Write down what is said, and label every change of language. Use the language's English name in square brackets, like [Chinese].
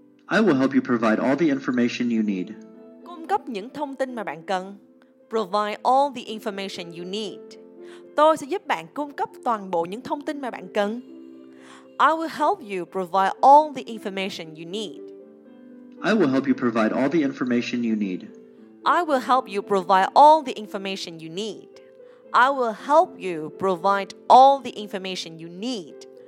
[English] I will help you provide all the information you need. [Vietnamese] Cung cấp những thông tin mà bạn cần. [English] Provide all the information you need. [Vietnamese] Tôi sẽ giúp bạn cung cấp toàn bộ những thông tin mà bạn cần. [English] I will help you provide all the information you need. I will help you provide all the information you need. I will help you provide all the information you need. I will help you provide all the information you need.